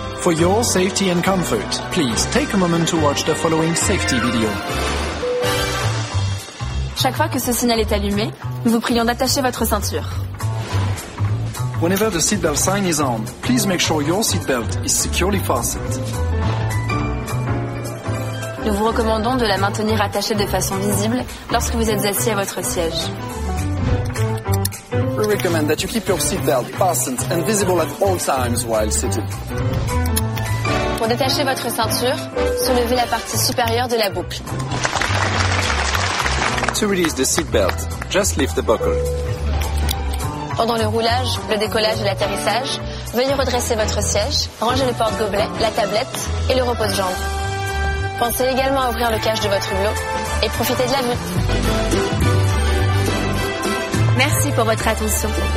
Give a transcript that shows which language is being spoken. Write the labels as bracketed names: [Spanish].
[English] For your safety and comfort, please take a moment to watch the following safety video. [French] Chaque fois que ce signal est allumé, nous vous prions d'attacher votre ceinture. [English] Whenever the seatbelt sign is on, please make sure your seatbelt is securely fastened. [French] Nous vous recommandons de la maintenir attachée de façon visible lorsque vous êtes assis à votre siège. [English] We recommend that you keep your seatbelt fastened and visible at all times while seated. [French] Pour détacher votre ceinture, soulevez la partie supérieure de la boucle. [English] To release the seatbelt, just lift the buckle. [French] Pendant le roulage, le décollage et l'atterrissage, veuillez redresser votre siège, ranger le porte-gobelet, la tablette et le repose-jambe. Pensez également à ouvrir le cache de votre hublot et profitez de la vue. Merci pour votre attention.